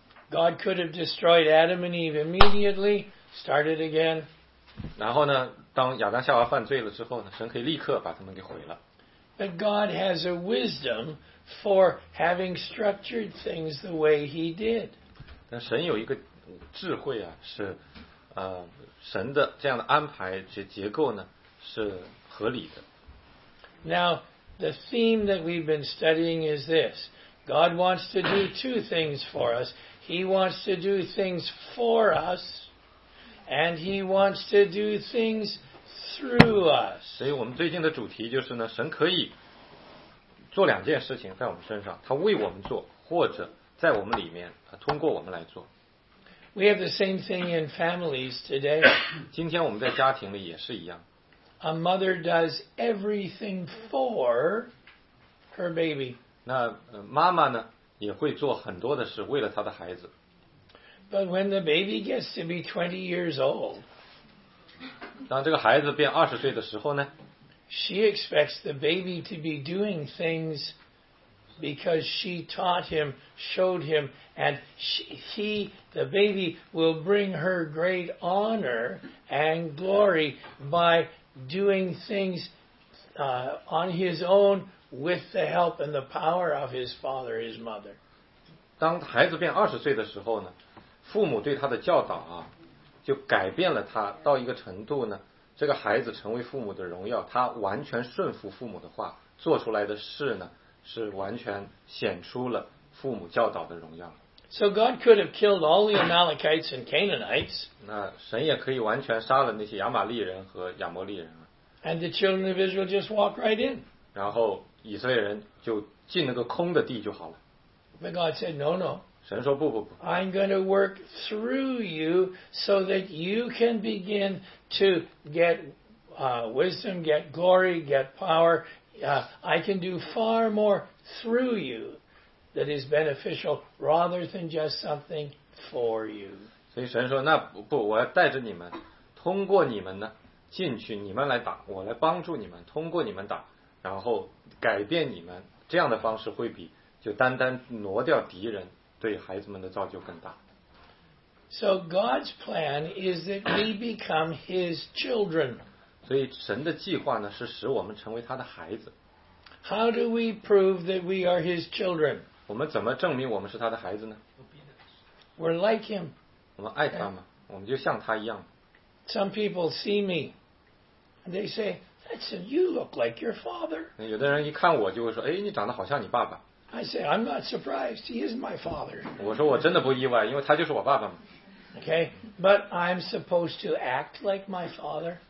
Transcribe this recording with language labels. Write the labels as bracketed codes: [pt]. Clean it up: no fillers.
[en] God could have destroyed Adam and Eve immediately, started again. [zh] 然后呢，当亚当夏娃犯罪了之后呢，神可以立刻把他们给毁了。 [en] But God has a wisdom for having structured things the way He did. [zh] 但神有一个智慧啊，是神的这样的安排结构呢是合理的。 [en] Now the theme that we've been studying is this: God wants to do two things for us. He wants to do things for us, and He wants to do things through us. [zh] 所以我们最近的主题就是呢，神可以做两件事情在我们身上，他为我们做，或者在我们里面，他通过我们来做。 [en] We have the same thing in families today. [zh] 今天我们在家庭里也是一样。 [en] A mother does everything for her baby. [zh] 那妈妈呢，也会做很多的事为了她的孩子。 [en] But when the baby gets to be 20 years old, [zh] 当这个孩子变20岁的时候呢， [en] she expects the baby to be doing things because she taught him, showed him, and he, the baby, will bring her great honor and glory by doing things on his own with the help and the power of his father, his mother. [zh] 当孩子变二十岁的时候呢，父母对他的教导啊，就改变了他到一个程度呢，这个孩子成为父母的荣耀，他完全顺服父母的话，做出来的事呢，是完全显出了父母教导的荣耀。 [en] So God could have killed all the Amalekites and Canaanites. [zh] 那神也可以完全杀了那些亚玛利人和亚摩利人。 [en] And the children of Israel just walk right in. [zh] 然后以色列人就进那个空的地就好了。 [en] But God said, no, no. [zh] 神说不不不。 [en] I'm going to work through you so that you can begin to get wisdom, get glory, get power. I can do far more through you. That is beneficial rather than just something for you. [zh] 所以神说，那不不，我要带着你们，通过你们呢进去，你们来打，我来帮助你们，通过你们打，然后改变你们，这样的方式会比就单单挪掉敌人对孩子们的造就更大。 [en] So God's plan is that we become His children. [zh] 所以神的计划呢，是使我们成为他的孩子。 [en] How do we prove that we are His children? [zh] 我们怎么证明我们是他的孩子呢？ [en] We're like Him. [zh] 我们爱他吗？Okay. 我们就像他一样。 [en] Some people see me, and they say, "That's you look like your father." [zh] 有的人一看我就会说，哎，你长得好像你爸爸。 [en] I say, "I'm not surprised. He is my father." [zh] 我说我真的不意外，因为他就是我爸爸嘛。 [en] Okay, but I'm supposed to act like my father.